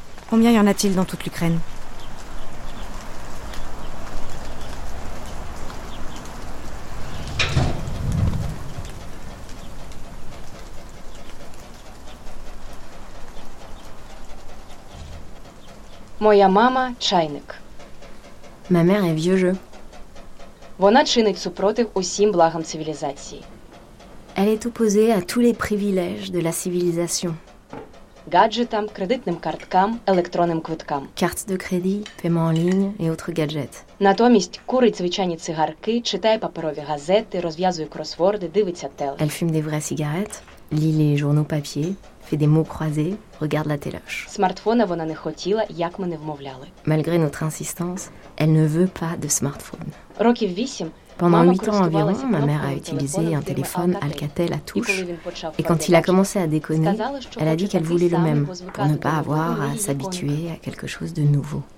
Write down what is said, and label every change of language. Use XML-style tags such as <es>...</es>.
<fr>Combien y en a-t-il dans toute l'Ukraine ?</fr> <uk>Моя мама – чайник.</uk> <fr>Ma mère est vieux jeu.</fr> <uk>Вона чинить супротив усім благам цивілізації.</uk> <fr>Elle est opposée à tous les privilèges de la civilisation.</fr> <uk>Гаджетам, кредитним карткам, електронним квиткам.</uk> <fr>Cartes de crédit, paiement en ligne et autres gadgets.</fr> <uk>Натомість курить звичайні цигарки, читає паперові газети, розв'язує кросворди, дивиться телевізор.</uk> <fr>Elle fume des vraies cigarettes, lit les journaux papier, fait des mots croisés, regarde la téloche.</fr> <uk>Смартфона вона не хотіла, як ми не вмовляли.</uk> <fr>Malgré notre insistance, elle ne veut pas de smartphone.</fr> <uk>Років 8.</uk> <fr>Pendant 8 ans environ, ma mère a utilisé un téléphone Alcatel à touche. Et quand il a commencé à déconner, elle a dit qu'elle voulait le même, pour ne pas avoir à s'habituer à quelque chose de nouveau.</fr>